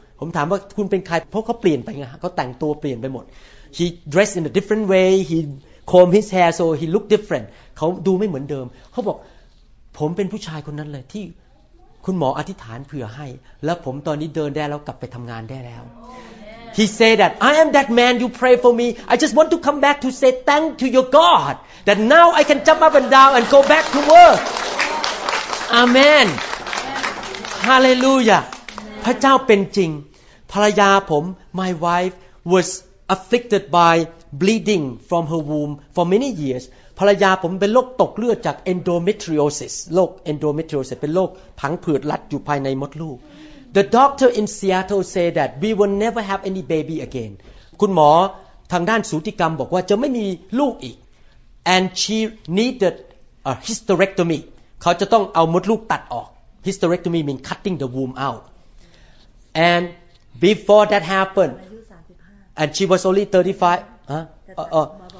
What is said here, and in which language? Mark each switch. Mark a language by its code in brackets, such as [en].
[th] ผมถามว่าคุณเป็นใครเพราะเขาเปลี่ยนไปไงเขาแต่งตัวเปลี่ยนไปหมด [en] He dressed in a different way. He combed his hair so he looked different. [th] เขาดูไม่เหมือนเดิมเขาบอกผมเป็นผู้ชายคนนั้นเลยที่คุณหมออธิษฐานเผื่อให้แล้วผมตอนนี้เดินได้แล้วกลับไปทำงานได้แล้ว oh, yeah. [en] He said that I am that man you pray for me. I just want to come back to say thank to your God. That now I can jump up and down and go back to work. Amen. Hallelujah. [th] พระเจ้าเป็นจริงภรรยาผม [en] my wife was afflicted by bleeding from her womb for many years. [th] ภรรยาผมเป็นโรคตกเลือดจาก endometriosis โรค endometriosis เป็นโรคผังผืดรัดอยู่ภายในมดลูก [en] The doctor in Seattle said that we will never have any baby again. [th] คุณหมอทางด้านสูติกรรมบอกว่าจะไม่มีลูกอีก [en] And she needed a hysterectomy. [th] เขาจะต้องเอามดลูกตัดออก [en] Hysterectomy means cutting the womb out. And before that happened, and she was only 35.